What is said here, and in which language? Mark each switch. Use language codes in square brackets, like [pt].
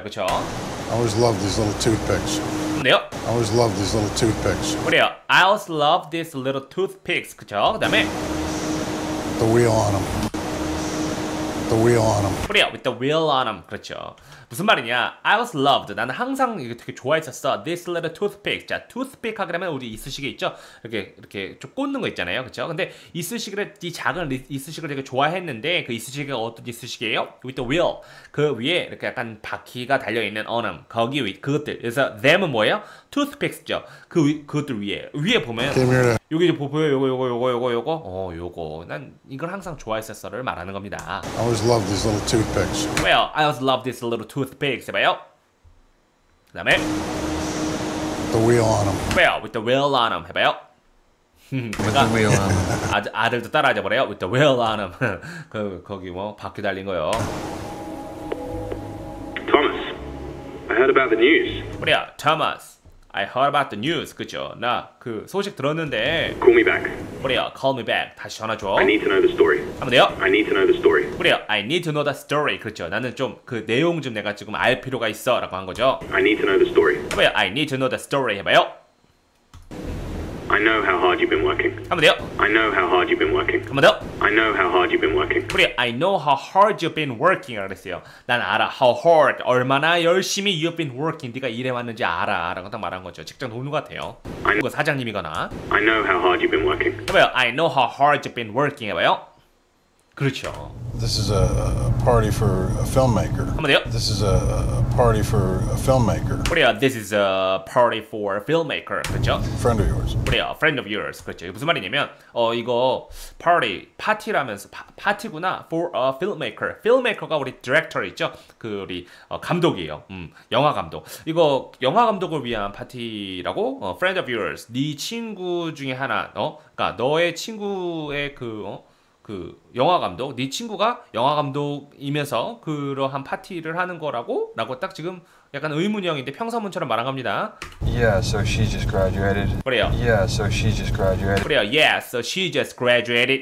[ko] 그렇죠? [en] I always loved these little toothpicks. [ko] 네요. [en] I always loved these little toothpicks. [ko] 그래요. [en] I always loved these little toothpicks. [ko] 그렇죠? 그다음에 [en] The wheel on them. The wheel on them. [ko] 그래요. [en] With the wheel on them. [ko] 그렇죠. 무슨 말이냐? [en] I always loved. [ko] 나는 항상 이게 되게 좋아했었어. [en] These little toothpicks. [ko] 자, toothpick 하려면 우리 이쑤시개 있죠? 이렇게 좀 꽂는 거 있잖아요. 그렇죠? 근데 이쑤시개를 이 작은 이쑤시개를 되게 좋아했는데 그 이쑤시개가 어떤 이쑤시개예요? [en] With the wheel. [ko] 그 위에 이렇게 약간 바퀴가 달려 있는 [en] on them. [ko] 거기 위 그것들. 그래서 them은 뭐예요? toothpicks죠. 그것들 위에 보면 여기 좀 보여요. 요거. 요거. 난 이걸 항상 좋아했었어를 말하는 겁니다. [en] I always loved these little toothpicks. Well, I always loved these little toothpicks. [ko] 해봐요. 그 다음에 [en] The wheel on them. Well, with the wheel on them. [ko] 해봐요. [en] With the wheel on them. [ko] 아들도 따라하자 버려요. [en] With the wheel on them. [ko] 거기 뭐 바퀴 달린 거요. [en] Thomas, I heard about the news. [ko] 뭐야, Thomas. [en] I heard about the news. [ko] 그죠? 나 그 소식 들었는데. [en] Call me back. [ko] 뭐래요? [en] Call me back. [ko] 다시 전화 줘. [en] I need to know the story. [ko] 한번 돼요? [en] I need to know the story. [ko] 뭐래요? [en] I need to know the story. [ko] 그죠? 나는 좀 그 내용 좀 내가 지금 알 필요가 있어라고 한 거죠. [en] I need to know the story. [ko] 뭐래요? [en] I need to know the story. [ko] 해봐요. [en] I know how hard you've been working. [ko] 한번 돼요? [en] I know how hard you've been working. [ko] 한번 돼요? [en] I know how hard you've been working. [ko] 뭐래요? [en] I know how hard you've been working. [ko] 알았어요. 난 알아. [en] How hard. [ko] 얼마나 열심히 [en] you've been working. [ko] 네가 일해왔는지 알아. 라고 딱 말한 거죠. 직장 동료 같아요. 그거 사장님이거나. [en] I know how hard you've been working. [ko] 해봐요. [en] I know how hard you've been working. [ko] 해봐요. 그렇죠. [en] This is a party for a filmmaker. [ko] 한번 돼요? [en] This is a party for a filmmaker. [ko] 그래요. [en] This is a party for a filmmaker. [ko] 그렇죠? [en] Friend of yours. [ko] 그래요. [en] Friend of yours. [ko] 그렇죠. 무슨 말이냐면 이거 party, 파티라면서 파티구나. [en] For a filmmaker. Filmmaker가 우리 director 있죠? [ko] 그 우리 감독이에요. 영화 감독. 이거 영화 감독을 위한 파티라고 [en] friend of yours. [ko] 네 친구 중에 하나. 그러니까 너의 친구의 그 영화 감독, 네 친구가 영화 감독이면서 그러한 파티를 하는 거라고 딱 지금 약간 의문형인데 평서문처럼 말한 겁니다. [en] Yeah, so she just graduated. [ko] 그래요. [en] Yeah, so she just graduated. [ko] 그래요. [en] Yeah, so she just graduated.